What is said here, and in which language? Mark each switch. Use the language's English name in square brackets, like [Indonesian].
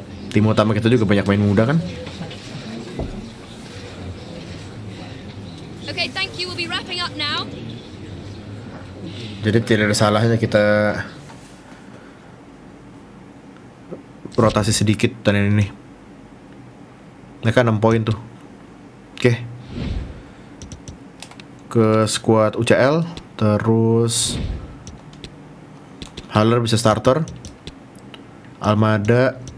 [Indonesian] Tim utama kita juga banyak main muda kan. [English] Okay, thank you. We'll be wrapping up now. [Indonesian] Jadi tidak ada salahnya kita rotasi sedikit dan ini. Mereka 6 poin tuh. Oke. Okay. Ke squad UCL terus Haller bisa starter. Almada.